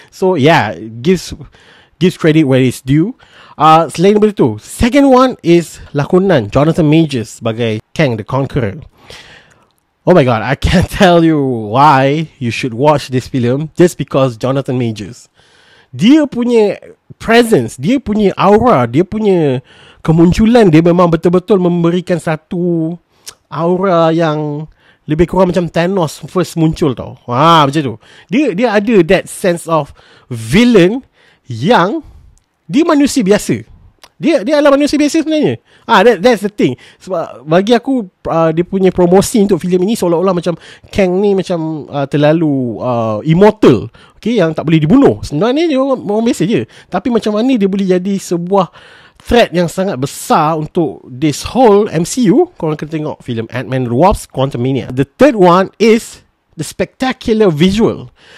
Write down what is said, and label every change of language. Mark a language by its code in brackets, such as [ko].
[en] So yeah, gives credit where it's due. [ms] Selain daripada tu, [en] second one is [ms] lakonan Jonathan Majors sebagai Kang the Conqueror. [en] Oh my god, I can't tell you why you should watch this film just because Jonathan Majors. [ms] Dia punya presence, dia punya aura, dia punya kemunculan, dia memang betul-betul memberikan satu aura yang lebih kurang macam Thanos first muncul tau. Wah, macam tu. Dia ada [en] that sense of villain [ms] yang dia manusia biasa. Dia adalah manusia biasa sebenarnya. Ah, [en] that's the thing. [ms] Sebab bagi aku, dia punya promosi untuk filem ini seolah-olah macam Kang ni macam terlalu immortal, okay, yang tak boleh dibunuh. Sebenarnya dia orang biasa je. Tapi macam mana dia boleh jadi sebuah [en] threat [ms] yang sangat besar untuk [en] this whole MCU. [ms] Korang kena tengok filem Ant-Man and the Wasp Quantumania. [en] The third one is the spectacular visual.